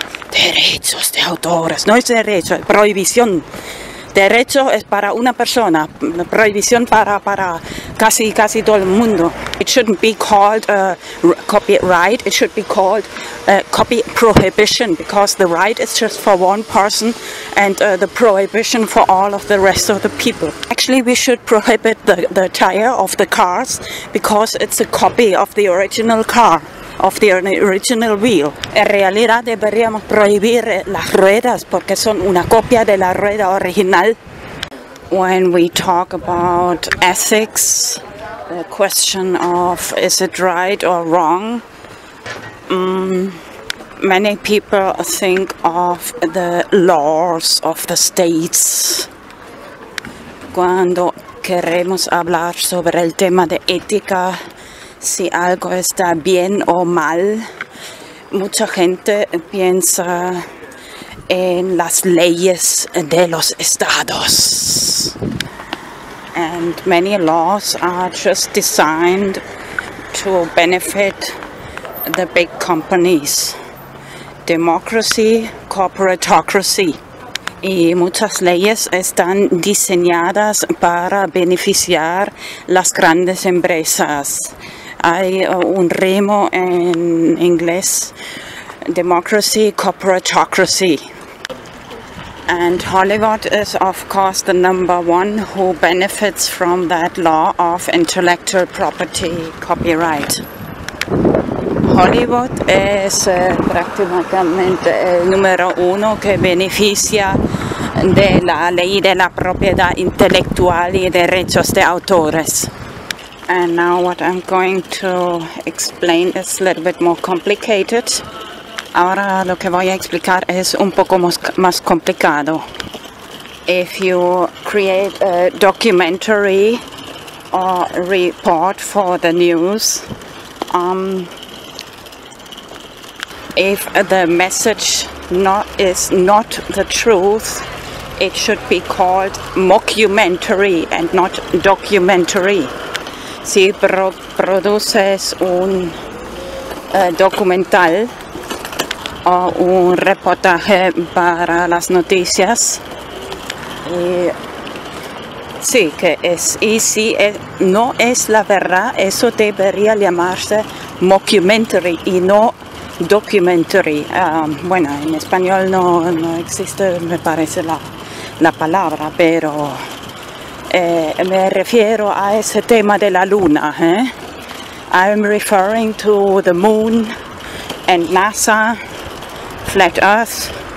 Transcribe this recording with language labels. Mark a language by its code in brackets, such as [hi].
[es] Derechos de autores, no es derecho, es prohibición. Derecho es para una persona, prohibición para casi todo el mundo. [en] It shouldn't be called copyright, it should be called copy prohibition, because the right is just for one person and the prohibition for all of the rest of the people. Actually, we should prohibit the tire of the cars because it's a copy of the original car, of the original wheel. [es] En realidad deberíamos prohibir las ruedas porque son una copia de la rueda original. [en] When we talk about ethics, the question of is it right or wrong, Many people think of the laws of the states. [es] Cuando queremos hablar sobre el tema de ética, si algo está bien o mal, mucha gente piensa en las leyes de los estados. [en] And many laws are just designed to benefit the big companies. Democracy, corporatocracy. [es] Y muchas leyes están diseñadas para beneficiar las grandes empresas. Hay un rimo en inglés, [en] democracy, corporatocracy. And Hollywood is, of course, the number one who benefits from that law of intellectual property copyright. [es] Hollywood es prácticamente el número uno que beneficia de la ley de la propiedad intelectual y derechos de autores. [en] And now what I'm going to explain is a little bit more complicated. [es] Ahora lo que voy a explicar es un poco más complicado. [en] If you create a documentary or report for the news, if the message is not the truth, it should be called mockumentary and not documentary. [es] Si produces un documental o un reportaje para las noticias, y, sí, que es, y si es, no es la verdad, eso debería llamarse mockumentary y no documentary. Bueno, en español no existe, me parece, la palabra, pero me refiero a ese tema de la luna. [en] I'm referring to the moon and NASA, flat earth.